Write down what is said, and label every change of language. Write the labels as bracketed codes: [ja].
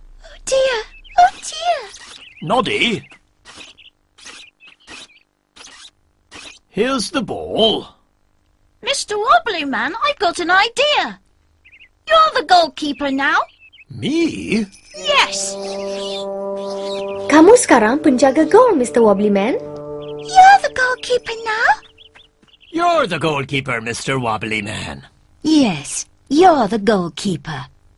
[en] Oh dear. Oh dear. Noddy. Here's the ball. Mr. Wobbly Man, I've got an idea. You're the goalkeeper now. Me? Yes. [id] Kamu sekarang penjaga gol, Mr. [en] Wobbly Man. You're the goalkeeper now. You're the goalkeeper, Mr. Wobbly Man. Yes, you're the goalkeeper.